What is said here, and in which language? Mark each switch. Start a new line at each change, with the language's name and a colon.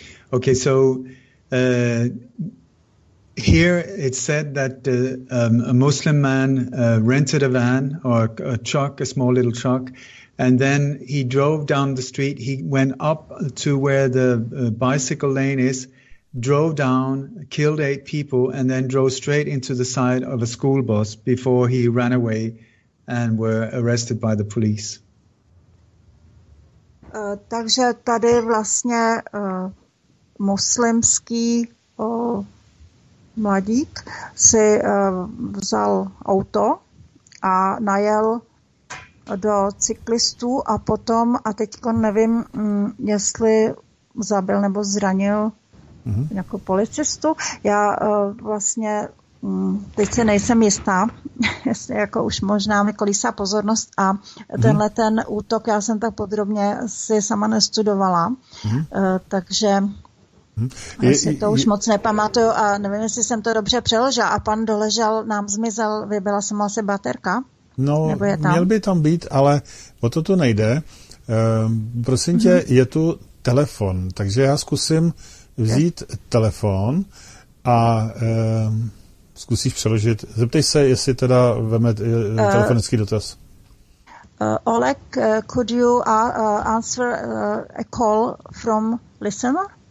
English: Okay, so here it said that a Muslim man rented a van or a truck, a small little truck, and then he drove down the street. He went up to where the bicycle lane is, drove down, killed 8 people, and then drove straight into the side of a school bus before he ran away and were arrested by the police.
Czech: Takže tady vlastně muslimský mladík si vzal auto a najel do cyklistů a potom, a teďko nevím, jestli zabil nebo zranil nějakou policistu. Já vlastně teď se nejsem jistá, jestli jako už možná mi kolísá pozornost a tenhle ten útok já jsem tak podrobně si sama nestudovala, takže asi to už moc nepamatuju a nevím, jestli jsem to dobře přeložila. A pan Doležal nám zmizel, vybila se mu asi baterka? No, měl by tam být, ale o to tu nejde. Prosím tě, je tu telefon, takže já zkusím vzít telefon a zkusíš přeložit. Zeptej se, jestli teda veme telefonický dotaz.
English: Oleg, could you answer a call from listener?